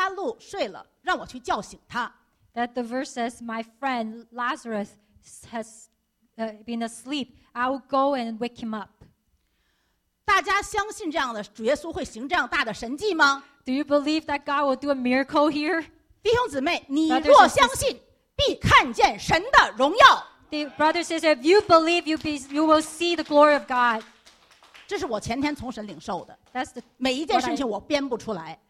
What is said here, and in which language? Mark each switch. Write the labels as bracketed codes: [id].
[zh] 主耶稣说，我的朋友拿撒路睡了，让我去叫醒他。 [en] That the verse says, my friend Lazarus has been asleep. I will go and wake him up. [zh] 大家相信这样的，主耶稣会行这样大的神迹吗？ [en] Do you believe that God will do a miracle here? [zh] 弟兄姊妹，你若相信。必看见神的荣耀。 [en] Brothers and sisters, if you believe, you will see the glory of God. [zh] 这是我前天从神领受的。 [en] That's the [zh] 每一件事情我编不出来。